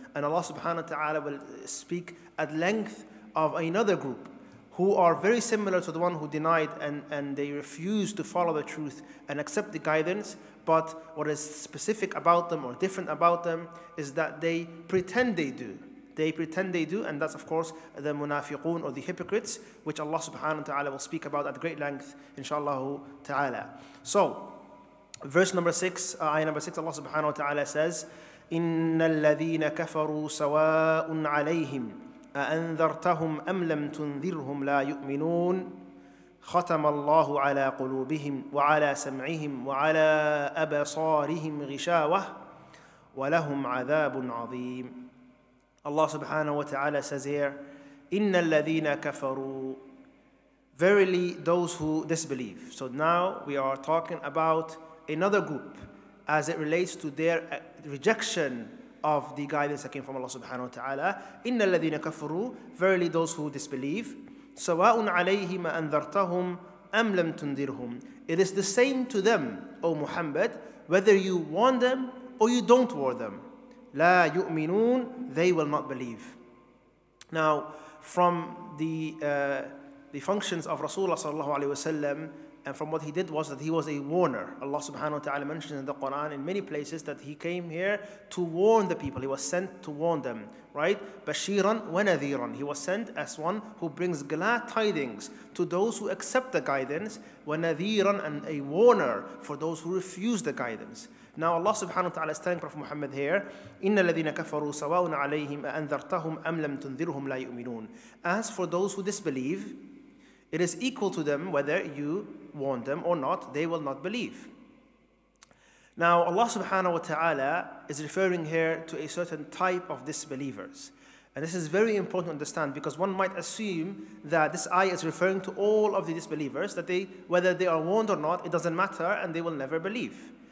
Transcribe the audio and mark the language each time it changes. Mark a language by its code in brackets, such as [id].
[en] And Allah subhanahu wa ta'ala will speak at length of another group who are very similar to the one who denied and they refused to follow the truth and accept the guidance. But what is specific about them or different about them is that they pretend they do. They pretend they do, and that's of course the munafiqun or the hypocrites, which Allah subhanahu wa ta'ala will speak about at great length, inshallah ta'ala. So, verse number 6, ayah number 6, Allah subhanahu wa ta'ala says, [ar] إِنَّ الَّذِينَ كَفَرُوا سَوَاءٌ عَلَيْهِمْ أَأَنذَرْتَهُمْ أَمْ لَمْ تُنذِرْهُمْ لَا يُؤْمِنُونَ خَتَمَ اللَّهُ عَلَى قُلُوبِهِمْ وَعَلَى سَمْعِهِمْ وَعَلَى أَبَصَارِهِمْ غِشَاوَةٌ وَلَهُمْ عَذَابٌ عَظِيمٌ. [en] Allah subhanahu wa ta'ala says here, [ar] إِنَّ الَّذِينَ كَفَرُوا, [en] verily those who disbelieve. So now we are talking about another group as it relates to their rejection of the guidance that came from Allah subhanahu wa ta'ala. [ar] إِنَّ الَّذِينَ كَفَرُوا, [en] verily those who disbelieve, [ar] سَوَاءٌ عَلَيْهِمَ أَنذَرْتَهُمْ أَمْ لَمْ تُنذِرْهُمْ, [en] it is the same to them, O Muhammad, whether you warn them or you don't warn them. [ar] لَا يُؤْمِنُونَ, [en] they will not believe. Now, from the functions of Rasulullah sallallahu alayhi wa sallam, and from what he did was that he was a warner. Allah subhanahu wa ta'ala mentions in the Quran in many places that he came here to warn the people. He was sent to warn them, right? Bashiran wa nadhiran. He was sent as one who brings glad tidings to those who accept the guidance, wa nadhiran, and a warner for those who refuse the guidance. Now Allah subhanahu wa ta'ala is telling Prophet Muhammad here, [ar] إِنَّ الَّذِينَ كَفَرُوا سَوَاءٌ عَلَيْهِمْ أَأَنذَرْتَهُمْ أَمْ لَمْ تُنذِرْهُمْ لَا يُؤْمِنُونَ. [en] As for those who disbelieve, it is equal to them whether you warn them or not, they will not believe. Now Allah subhanahu wa ta'ala is referring here to a certain type of disbelievers. And this is very important to understand, because one might assume that this ayah is referring to all of the disbelievers, that they, whether they are warned or not, it doesn't matter and they will never believe.